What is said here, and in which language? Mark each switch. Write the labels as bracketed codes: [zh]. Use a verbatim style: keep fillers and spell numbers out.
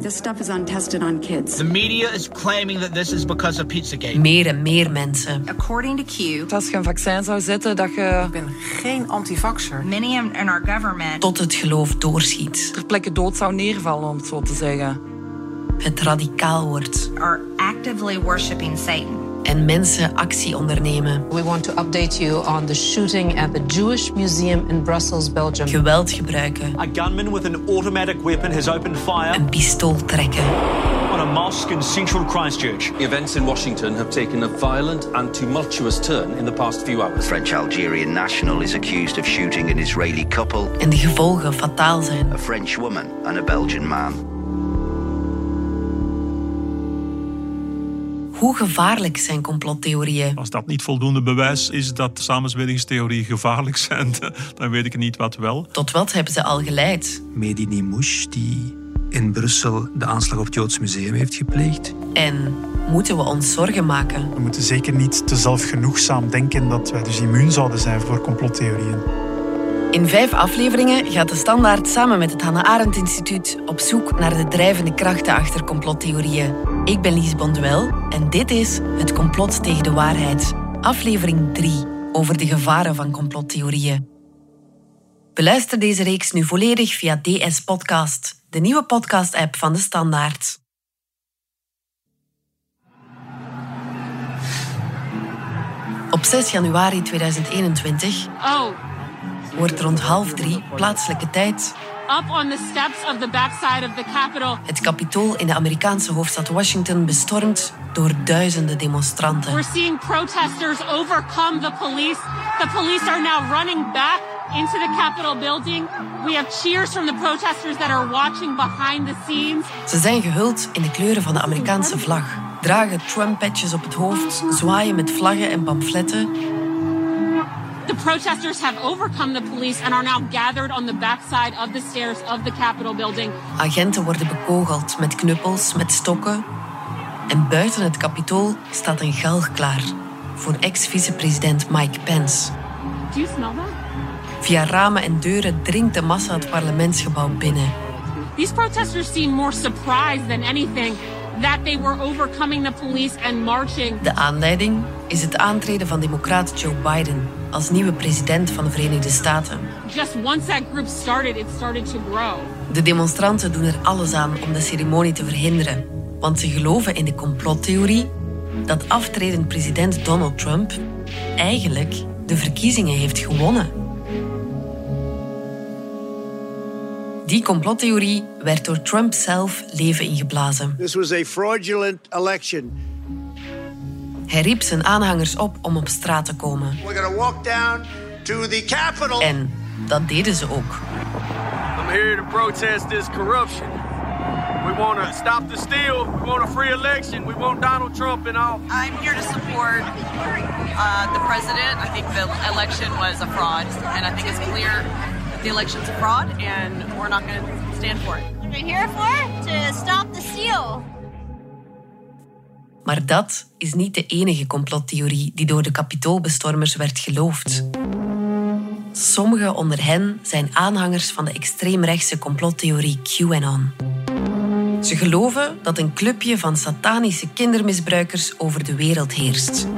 [en] This stuff is untested on kids. The media is claiming that this is because of Pizzagate. [nl] Meer en meer mensen. [en] According to Q. [nl] Als je een vaccin zou zetten, dat je... Ik ben geen antivaxer. [en] Many in our government. [nl] Tot het geloof doorschiet. Ter plekke dood zou neervallen, om het zo te zeggen. Het radicaal wordt. [en] Are actively worshiping Satan. [nl] En mensen actie ondernemen. [en] We want to update you on the shooting at the Jewish Museum in Brussels, Belgium. [nl] Geweld gebruiken. [en] A gunman with an automatic weapon has opened fire. [nl] Een pistool trekken. [en] On a mosque in central Christchurch. Events in Washington have taken a violent and tumultuous turn in the past few hours. A French-Algerian national is accused of shooting an Israeli couple. [nl] En de gevolgen fataal zijn. [en] A French woman and a Belgian man. [nl] Hoe gevaarlijk zijn complottheorieën? Als dat niet voldoende bewijs is dat samenzweringstheorieën gevaarlijk zijn, dan weet ik niet wat wel. Tot wat hebben ze al geleid? Mehdi Nimouche, die in Brussel de aanslag op het Joods Museum heeft gepleegd. En moeten we ons zorgen maken? We moeten zeker niet te zelfgenoegzaam denken dat wij dus immuun zouden zijn voor complottheorieën. In vijf afleveringen gaat De Standaard samen met het Hannah Arendt Instituut op zoek naar de drijvende krachten achter complottheorieën. Ik ben Lies Bonduel en dit is Het Complot tegen de Waarheid, aflevering drie over de gevaren van complottheorieën. Beluister deze reeks nu volledig via D S Podcast, de nieuwe podcast-app van De Standaard. Op zes januari tweeduizend eenentwintig... Oh. Wordt rond half drie plaatselijke tijd [en] up on the steps of the backside of the Capitol. [nl] Het Capitool in de Amerikaanse hoofdstad Washington bestormd door duizenden demonstranten. [en] We're seeing protesters overcome the police. The police are now running back into the Capitol building. We have cheers from the protesters that are watching behind the scenes. [nl] Ze zijn gehuld in de kleuren van de Amerikaanse vlag, dragen Trump-petjes op het hoofd, zwaaien met vlaggen en pamfletten. [en] The protesters have overcome the police and are now gathered on the backside of the stairs of the Capitol building. [nl] Agenten worden bekogeld met knuppels, met stokken. En buiten het Capitool staat een galg klaar voor ex-vicepresident Mike Pence. [en] Do you smell that? [nl] Via ramen en deuren dringt de massa het parlementsgebouw binnen. [en] These protesters seem more surprised than anything that they were overcoming the police and marching. [nl] De aanleiding is het aantreden van democraat Joe Biden als nieuwe president van de Verenigde Staten. [en] Just once that group started, it started to grow. [nl] De demonstranten doen er alles aan om de ceremonie te verhinderen, want ze geloven in de complottheorie dat aftredend president Donald Trump eigenlijk de verkiezingen heeft gewonnen. Die complottheorie werd door Trump zelf leven ingeblazen. [en] This was a fraudulent election. [nl] Hij riep zijn aanhangers op om op straat te komen. [en] We're gonna walk down to the Capitol. [nl] En dat deden ze ook. [en] I'm here to protest this corruption. We want to stop the steal. We want a free election. We want Donald Trump in office. I'm here to support uh, the president. I think the election was a fraud, and I think it's clear that the election's a fraud, and we're not going to stand for it. What we're here for? To stop the steal. [nl] Maar dat is niet de enige complottheorie die door de Capitoolbestormers werd geloofd. Sommigen onder hen zijn aanhangers van de extreemrechtse complottheorie QAnon. Ze geloven dat een clubje van satanische kindermisbruikers over de wereld heerst.